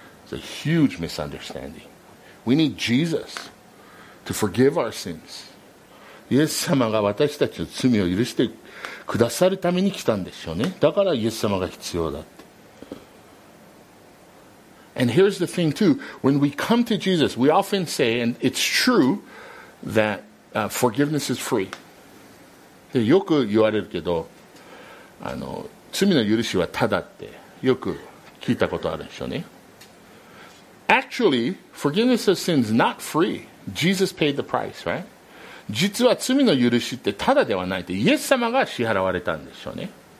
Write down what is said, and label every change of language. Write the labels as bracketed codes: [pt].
[en] It's a huge misunderstanding. We need Jesus to forgive our sins. [ja] イエス様が私たちの罪を許してくださるために来たんでしょうね。だからイエス様が必要だって。 [en] And here's the thing too. When we come to Jesus, we often say, and it's true, that forgiveness is free. [ja] でよく言われるけど、罪の許しはただってよく聞いたことあるでしょうね。 [en] Actually, forgiveness of sins not free. Jesus paid the price, right? [ja] 実は罪の許しってただではないって、イエス様が支払われたんでしょうね。